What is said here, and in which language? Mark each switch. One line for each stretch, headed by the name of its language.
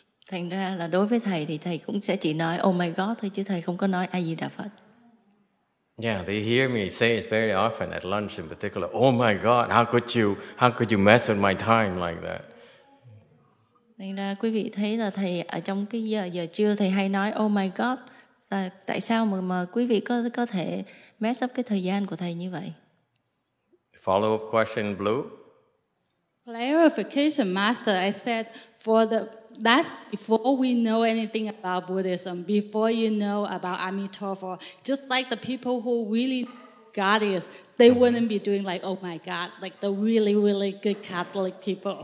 Vietnamese: Thành ra là đối với thầy thì thầy cũng sẽ chỉ nói
English: oh my god
Vietnamese: thôi, chứ thầy không có nói A Di Đà Phật.
English: Yeah, they hear me say it very often at lunch in particular. Oh my God, how could you mess with my time like that?
Vietnamese: Nên là quý vị thấy là thầy ở trong cái giờ trưa thầy hay nói
English: oh my God,
Vietnamese: tại sao mà quý vị có thể
English: mess up
Vietnamese: cái thời gian của thầy như vậy?
English: Follow-up question, Blue. Clarification, Master. I said that's before we know anything about Buddhism, before you know about Amitabha. Just like the people who really God is, they wouldn't be doing like, oh my God, like the really, really good Catholic people.